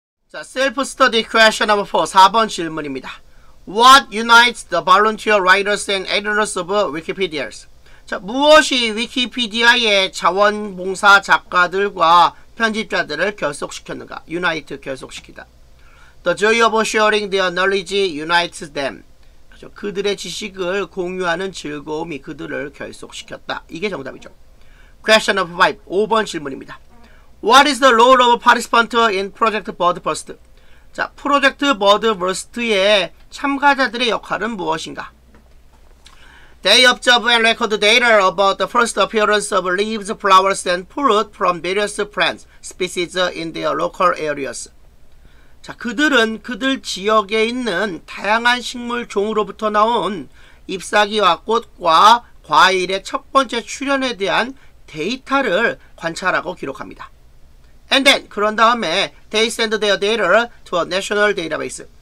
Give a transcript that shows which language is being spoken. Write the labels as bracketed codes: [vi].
[en] 자, self-study question number 4, [ko] 4번 질문입니다. [en] What unites the volunteer writers and editors of Wikipedias? [ko] 자, 무엇이 위키피디아의 자원봉사 작가들과 편집자들을 결속시켰는가? Unite, 결속시키다. [en] The joy of sharing their knowledge unites them. [ko] 그렇죠? 그들의 지식을 공유하는 즐거움이 그들을 결속시켰다. 이게 정답이죠. [en] Question number 5, [ko] 5번 질문입니다. [en] What is the role of participant in Project Birdburst? [ko] 자, 프로젝트 버드버스트의 참가자들의 역할은 무엇인가? [en] They observe and record data about the first appearance of leaves, flowers, and fruit from various plants, species in their local areas. [ko] 자, 그들은 그들 지역에 있는 다양한 식물 종으로부터 나온 잎사귀와 꽃과 과일의 첫 번째 출현에 대한 데이터를 관찰하고 기록합니다. [en] And then, [ko] 그런 다음에 [en] they send their data to a national database.